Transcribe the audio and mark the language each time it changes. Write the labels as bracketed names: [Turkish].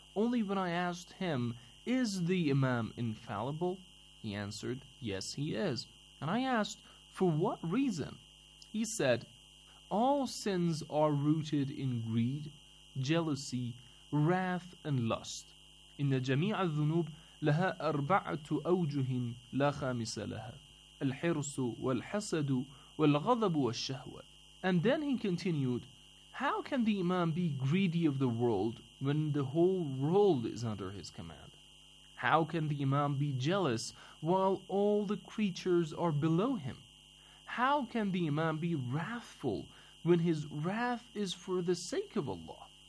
[English] Only when I asked him, is the Imam infallible? He answered, yes, he is. And I asked, for what reason? He said, all sins are rooted in greed, jealousy, wrath, and lust. [Arabic] إن جميع الذنوب لها أربعة أوجه لا خامس لها: الحرص والحسد والغضب والشهوة. [English] And then he continued, how can the imam be greedy of the world when the whole world is under his command? How can the imam be jealous while all the creatures are below him? How can the imam be wrathful when his wrath is for the sake of Allah?